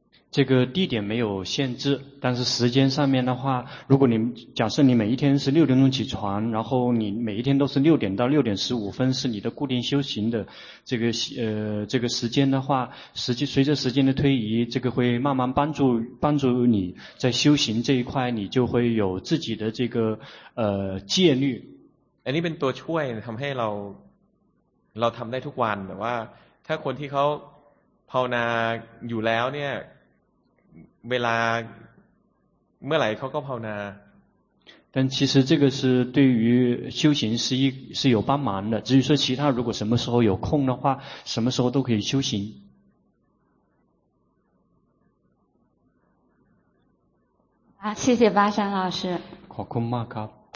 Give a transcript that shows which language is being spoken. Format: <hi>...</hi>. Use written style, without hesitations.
<zh>这个地点没有限制但是时间上面的话如果你假设你每一天是6点钟起床然后你每一天都是6点到6点15分是你的固定修行的这个时间的话实际随着时间的推移这个会慢慢帮助你在修行这一块你就会有自己的这个戒律</zh> <th>อันนี้เป็นตัวช่วยทำให้เราทำได้ทุกวันแต่ว่าถ้าคนที่เขาภาวนาอยู่แล้วเนี่ยเวลาเมื่อไหร่เขาก็ภาวนา</th> <zh>但其实这个是对于修行是有帮忙的至于说其他如果什么时候有空的话什么时候都可以修行啊谢谢巴山老师</zh> <th>ขอบคุณมากครับ</th>